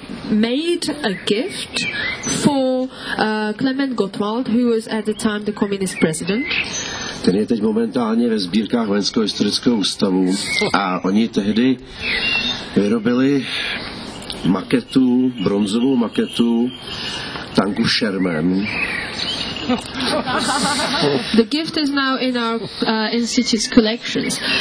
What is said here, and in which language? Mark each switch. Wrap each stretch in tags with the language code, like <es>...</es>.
<en>Made a gift for Clement Gottwald, who was at the time the communist president.</en> <cs>ten je teď momentálně ve sbírkách Vojenského historického ústavu a oni tehdy vyrobili maketu, bronzovou maketu tanku Sherman.</cs> <en>The gift is now in our institute's collections.</en>